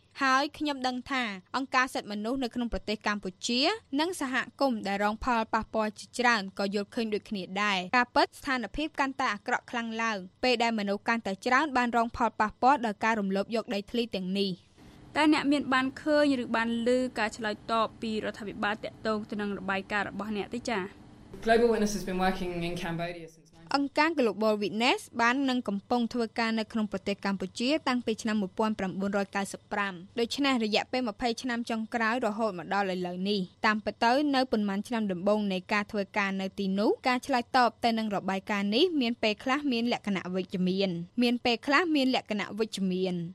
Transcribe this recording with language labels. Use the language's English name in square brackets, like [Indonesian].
[Khmer] ហើយខ្ញុំដឹងថាអង្គការសិទ្ធិមនុស្សនៅក្នុងប្រទេសកម្ពុជានិងសហគមន៍ដែលរងផលប៉ះពាល់ជាច្រើនក៏យល់ឃើញដូចគ្នាដែរការពិតស្ថានភាពកាន់តែអាក្រក់ខ្លាំងឡើងពេលដែលមនុស្សកាន់តែច្រើនបានរងផលប៉ះពាល់ដោយការរំលោភយកដីធ្លីទាំងនេះ តើអ្នកមានបានឃើញឬបានឮការឆ្លើយតបពីរដ្ឋាភិបាលតកតងទៅនឹងរបាយការណ៍របស់អ្នកទេចា [English] Global Witness has been working in Cambodia since [Khmer] អង្គការ Global Witness បាននឹងកំពុងធ្វើការនៅក្នុងប្រទេសកម្ពុជាតាំងពីឆ្នាំ1995ដូច្នេះរយៈពេល20ឆ្នាំចុងក្រោយរហូតមកដល់ឥឡូវនេះតាមពិតទៅនៅប៉ុន្មានឆ្នាំដំបូងនៃការធ្វើការនៅទីនោះការឆ្លើយតបទៅនឹងរបាយការណ៍នេះមានពេលខ្លះមានលក្ខណៈវិជ្ជមានមានពេលខ្លះមានលក្ខណៈវិជ្ជមាន